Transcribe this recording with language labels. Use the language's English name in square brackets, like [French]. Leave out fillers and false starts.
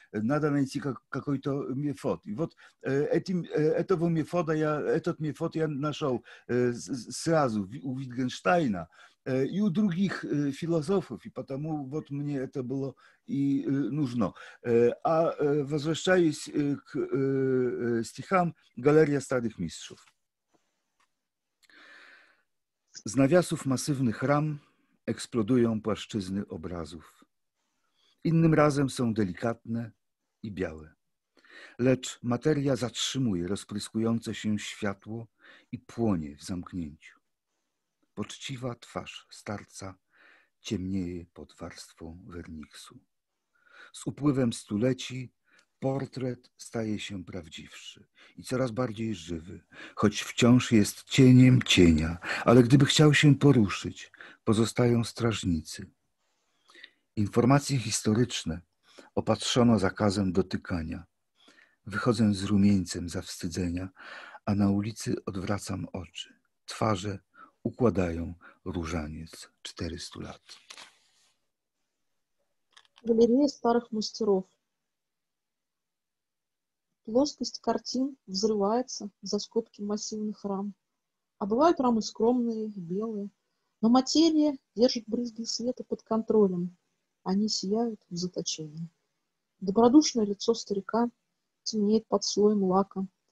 [Russian] Надо найти какой-то метод. И вот этот метод я нашел сразу у Витгенштейна и у других философов, и потому вот мне это было и нужно. А возвращаюсь к стихам «Галерея старых мастеров». [Polish] Z nawiasów masywnych ram eksplodują płaszczyzny obrazów. Innym razem są delikatne i białe. Lecz materia zatrzymuje rozpryskujące się światło i płonie w zamknięciu. Poczciwa twarz starca ciemnieje pod warstwą werniksu. Z upływem stuleci portret staje się prawdziwszy i coraz bardziej żywy, choć wciąż jest cieniem cienia, ale gdyby chciał się poruszyć, pozostają strażnicy. Informacje historyczne opatrzono zakazem dotykania. Wychodzę z rumieńcem zawstydzenia, a na ulicy odwracam oczy. Twarze układają różaniec 400 lat. Galeria starych mistrzów. [Russian] Плоскость картин взрывается за скобки массивных рам. А бывают рамы скромные, белые, но материя держит брызги света под контролем. Они сияют в заточении. Добродушное лицо старика темнеет под слоем лака.